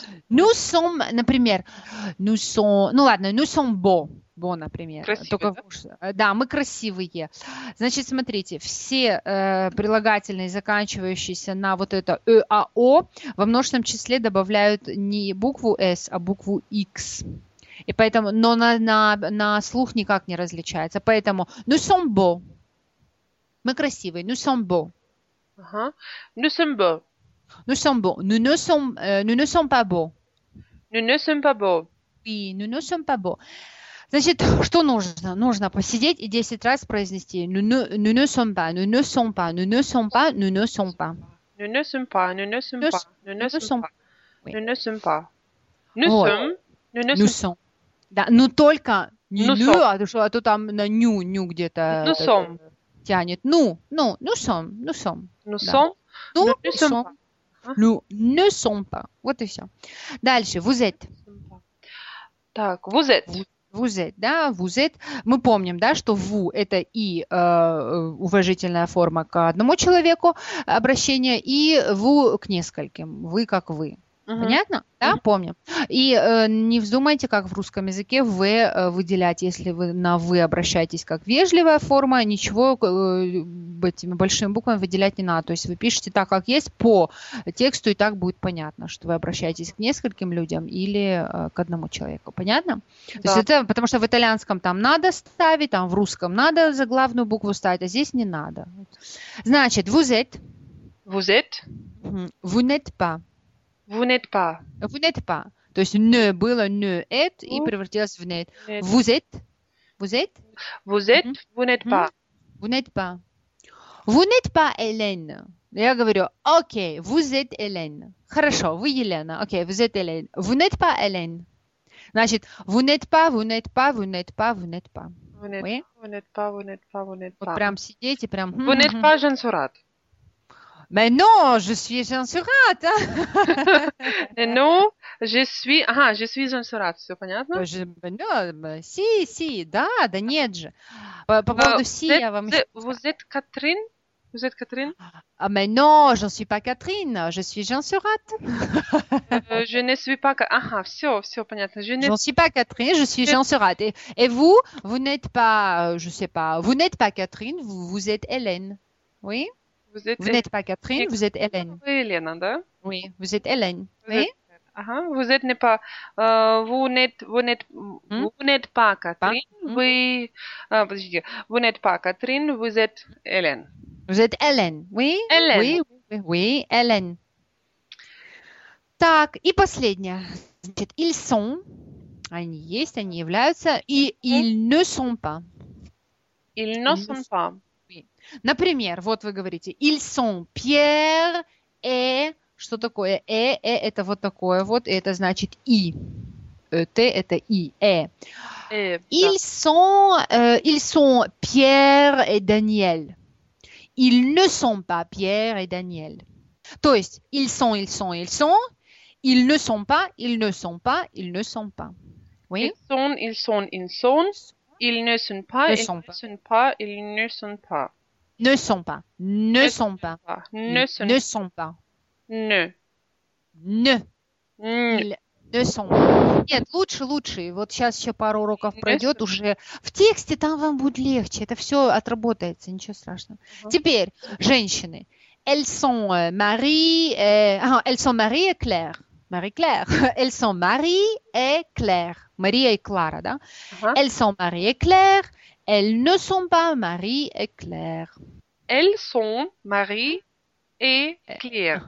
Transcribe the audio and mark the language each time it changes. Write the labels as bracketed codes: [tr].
[fr] Nous sommes, [ru] например, [fr] nous sommes, [ru] ну ладно, [fr] nous sommes beaux, beaux, например. [ru] Красивые, только, да? Да, мы красивые. Значит, смотрите, все прилагательные, заканчивающиеся на вот это e, a, o, во множественном числе добавляют не букву s, а букву x. И поэтому, но на слух никак не различается. Поэтому [fr] nous sommes beaux. [ru] Мы красивые. [fr] Nous sommes beaux. Nous sommes beaux. Nous sommes beaux. Nous ne sommes pas beaux. Nous ne sommes pas beaux. Oui, nous ne sommes pas beaux. [ru] Значит, что нужно? Нужно посидеть и 10 раз произнести. [fr] Nous ne sommes pas. Nous ne sommes pas. Nous ne sommes pas. Nous ne sommes pas. Nous ne sommes pas. Nous ne sommes pas. Nous ne sommes pas. Nous ne sommes pas. Nous sommes. Nous ne sommes pas. [ru] Nous только не ню, а то что, а то там на ню, ню где-то тянет. Ну, [fr] nous sommes. Nous sommes. Nous sommes. Nous ne sommes pas. Nous ne sommes pas. [ru] Вот и все. Дальше. [fr] Vous êtes. [ru] Так, [fr] vous êtes. Vous êtes, [ru] да, [fr] vous êtes. [ru] Мы помним, да, что vous – это и уважительная форма к одному человеку обращения, и vous – к нескольким. Вы – как вы. Понятно? Да, помним. И не вздумайте, как в русском языке, вы выделять, если вы на вы обращаетесь как вежливая форма, ничего этими большими буквами выделять не надо. То есть вы пишете так, как есть, по тексту, и так будет понятно, что вы обращаетесь к нескольким людям или к одному человеку. Понятно? Да. То есть это, потому что в итальянском там надо ставить, там в русском надо за главную букву ставить, а здесь не надо. Значит, [fr] vous êtes. Vous êtes. Vous n'êtes pas. Vous n'êtes pas. Vous n'êtes pas. [ru] То есть ne было ne être и превратилось в n'être. [fr] Vous êtes. Vous êtes. Vous êtes. Vous n'êtes pas. Vous n'êtes pas. Vous n'êtes pas Hélène. [ru] Я говорю, окей, [fr] vous êtes Hélène. [ru] Хорошо, вы Елена. [fr] Окей, vous êtes Hélène. Vous n'êtes pas Hélène. Значит, vous n'êtes pas, vous n'êtes pas, vous n'êtes pas, vous n'êtes pas. Vous n'êtes pas, vous n'êtes pas, vous n'êtes pas. [ru] Вот прям сидеть и прям... [fr] Vous n'êtes pas Jeanne Surratt. Mais non, je suis Jeanne Surratt. Mais non, je suis... Ah, je suis Jeanne Surratt, [ru] все понятно? [fr] Si, si, [ru] да, да нет же. По поводу si, я вам... [fr] Vous êtes Catherine? Vous êtes Catherine? Mais non, je ne suis pas Catherine, je suis Jeanne Surratt. Je ne suis pas... [ru] Ah, все, все понятно. [fr] Je ne suis pas Catherine, je suis Jeanne Surratt. Et vous, vous n'êtes pas... Je ne sais pas, vous n'êtes pas Catherine, vous êtes Hélène. Oui? Vous, êtes... vous n'êtes pas Catherine, vous êtes Hélène. Vous êtes Hélène, [ru] да? [fr] Oui, vous êtes Hélène. Vous oui? Êtes... Vous êtes n'est pas... vous n'êtes pas Catherine, vous... Ah, vous n'êtes pas Catherine, vous êtes Hélène. Vous êtes Hélène, oui? Hélène. Oui, oui, oui, Hélène. [ru] Так, и последнее. Значит, [fr] ils sont, [ru] они есть, они являются, и [fr] ils ne sont pas. Ils ne sont pas. [ru] Например, вот вы говорите, [fr] ils sont Pierre et... [ru] Что такое e? E – это вот такое вот, это значит i. T – это i, e. [fr] Ils sont Pierre et Daniel. Ils ne sont pas Pierre et Daniel. То есть, ils sont, ils sont, ils sont. Ils ne sont pas, ils ne sont pas, ils ne sont pas. Oui? Ils sont, ils sont, ils sont. Ils ne sont pas, ils ne sont pas, ils ne sont pas. Ne sont pas. Ne sont pas. Ne sont pas. Ne sont pas. Ne. Ne. Ne. Ne sont pas. [ru] Нет, лучше, лучше. Вот сейчас еще пару уроков пройдет уже. В тексте там вам будет легче. Это все отработается, ничего страшного. Теперь, женщины. [fr] Elles sont Marie et Claire. Marie-Claire. Elles sont Marie et Claire. Maria et Clara, [ru] да? Ага. [fr] Elles sont Marie et Claire. Elles ne sont pas Marie et Claire. Elles sont Marie et Claire.